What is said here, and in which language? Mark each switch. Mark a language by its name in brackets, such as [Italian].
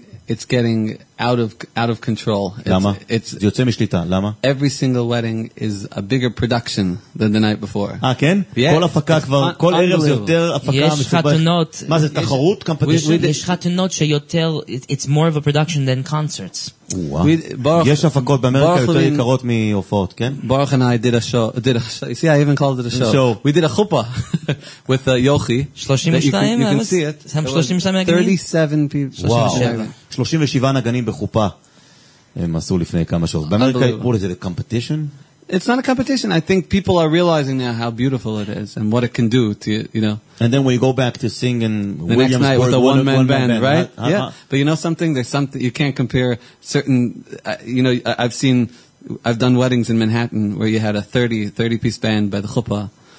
[English] It's getting out of control. [Hebrew] למה? זה יוצא משליטה, למה? [English] Every single wedding is a bigger production than the night before. [Hebrew] אה, כן? [English] Yes. [Hebrew] כל הפקה כבר, כל ערב זה יותר הפקה. יש חתונות. מה זה, תחרות? יש חתונות שיותר, [English] it's more of a production than concerts. [Hebrew] יש הפקות באמריקה יותר יקרות מהופעות, כן? [English] ברוך and I did a show. You see, I even called it a show. We did a chupa with Yochi. 32? You can see it. [Hebrew] 32 נגנים? [English] 37 people. 37. [Hebrew] 37 נגנים בחופה הם עשו לפני כמה שעות. [English] באמריקה, what is it, a competition? It's not a competition. I think people are realizing now how beautiful it is and what it can do to you, you know. And then when you go back to sing in the next Williamsburg night with a one man band, right? Uh-huh. Yeah. But you know something? There's something you can't compare certain, you know, I've done weddings in Manhattan where you had a 30 piece band by the chuppah.